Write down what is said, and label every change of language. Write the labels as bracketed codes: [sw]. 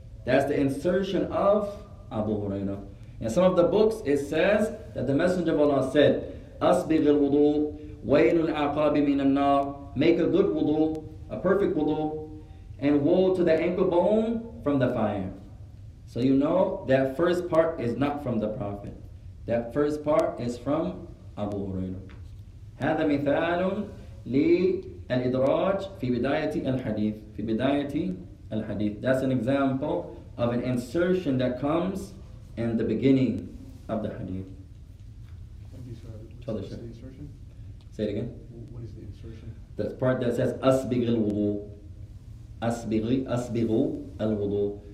[en] That's the insertion of Abu Hurairah. In some of the books, it says that the Messenger of Allah said, [ar] أصبغ الوضوء ويل العقاب من النار, [en] make a good wudu, a perfect wudu, and woe to the ankle bone from the fire. So you know that first part is not from the Prophet. That first part is from Abu Hurairah. [ar] هذا مثال للإدراج في بداية الحديث. في بداية الحديث. [en] That's an example of an insertion that comes in the beginning of the hadith. What is the insertion? Say it again. What is the insertion? The part that says [ar] أسبغ الوضوء. أسبغ الوضوء.